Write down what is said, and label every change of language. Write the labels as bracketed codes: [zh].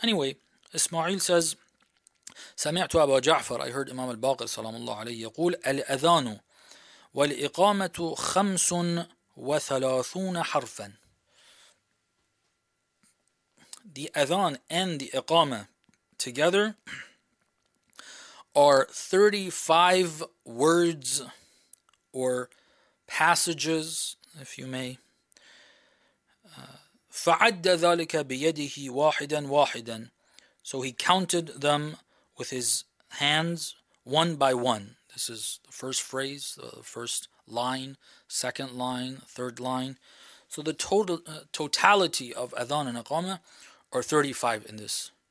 [en] Anyway, Ismail says, [ar] سمعت أبا جعفر, [en] I heard Imam al-Baqir, [ar] salamullah alayhi, يقول, الأذان والإقامة خمس وثلاثون حرفا. [en] The adhan and the iqama together are 35 words or passages, if you may. [ar] فعد ذلك بيده واحدا واحدا. [en] So he counted them with his hands one by one. This is the first phrase, the first line, second line, third line. So the totality of adhan and aqama are 35 in this.